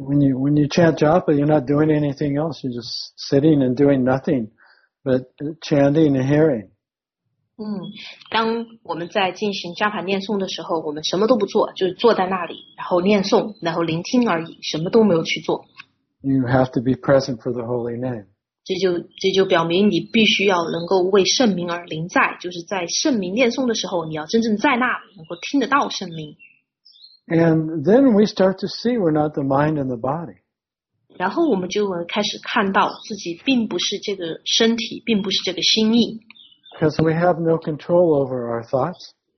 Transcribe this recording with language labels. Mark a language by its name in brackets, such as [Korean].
[English] when you chant Japa, you're not doing anything else. You're just sitting and doing nothing but chanting and hearing. [Chinese] 当我们在进行Japa念诵的时候，我们什么都不做，就是坐在那里，然后念诵，然后聆听而已，什么都没有去做。 [English] You have to be present for the holy name. [Chinese] 这就表明你必须要能够为圣名而临在，就是在圣名念诵的时候，你要真正在那里，能够听得到圣名。 [English] And then we start to see we're not the mind and the body. [Chinese] 然后我们就开始看到自己并不是这个身体，并不是这个心意。 [English] Because we have no control over our thoughts.